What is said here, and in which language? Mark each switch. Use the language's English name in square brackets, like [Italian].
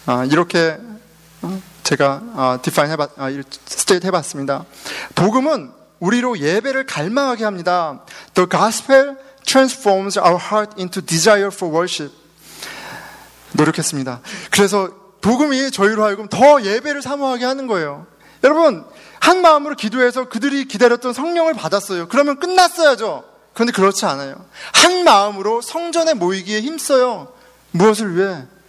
[Korean] 이렇게 제가 스테이트 해봤습니다. 복음은 우리로 예배를 갈망하게 합니다. [English] The gospel transforms our heart into desire for worship. [Korean] 노력했습니다. 그래서 복음이 저희로 하여금 더 예배를 사모하게 하는 거예요. 여러분, 한 마음으로 기도해서 그들이 기다렸던 성령을 받았어요. 그러면 끝났어야죠. 그런데 그렇지 않아요. 한 마음으로 성전에 모이기에 힘써요. 무엇을 위해?